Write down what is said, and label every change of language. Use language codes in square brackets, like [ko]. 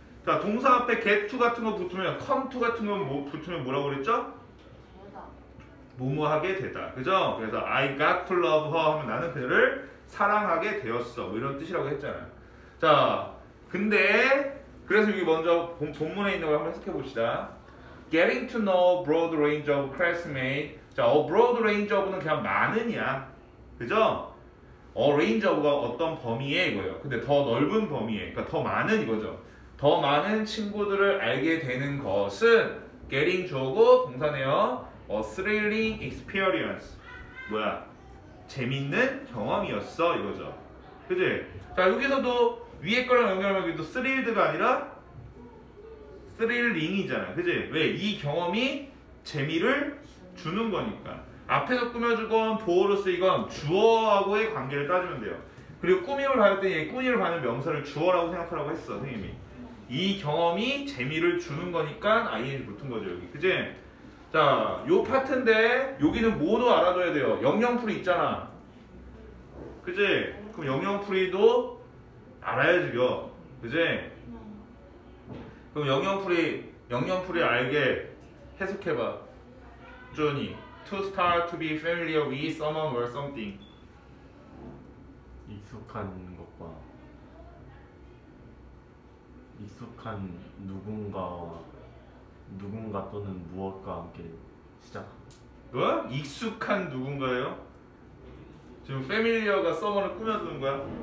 [ko] 자, 동사 앞에 get to 같은 거 붙으면, come to 같은 거 뭐, 붙으면 뭐라고 그랬죠? 무모하게 되다. 그죠? 그래서 [en] I got to love her [ko] 하면 나는 그녀를 사랑하게 되었어. 뭐 이런 뜻이라고 했잖아요. 자, 근데 그래서 여기 먼저 본문에 있는 걸 한번 해석해 봅시다. [en] Getting to know a broad range of classmates. [ko] 자, a broad range of는 그냥 많은이야. 그죠? A range of가 어떤 범위에 이거예요. 근데 더 넓은 범위에, 그러니까 더 많은 이거죠. 더 많은 친구들을 알게 되는 것은 getting 주어고 동사네요. [en] A thrilling experience. [ko] 뭐야? 재밌는 경험이었어 이거죠. 그지? 자, 여기서도 위에 거랑 연결하면 여기도 thrilled가 아니라 thrilling이잖아. 그지? 왜? 이 경험이 재미를 주는 거니까. 앞에서 꾸며주건 보어로 쓰이건 주어하고의 관계를 따지면 돼요. 그리고 꾸밈을 받을 때 얘 꾸밈을 받는 명사를 주어라고 생각하라고 했어, 선생님이. 이 경험이 재미를 주는 거니까 ing 붙은 거죠, 여기. 그지? 자, 요 파트인데 여기는 뭐도 알아둬야 돼요. 영영풀이 있잖아. 그지? 그럼 영영풀이도 알아야지, 요. 그지? 그럼 영영풀이 알게 해석해봐. 조니. [en] To start to be familiar with someone or something. [ko] 익숙한 것과 익숙한 누군가 또는 무엇과 함께 시작. 뭐? 익숙한 누군가요? 지금 familiar가 someone을 꾸며주는 거야?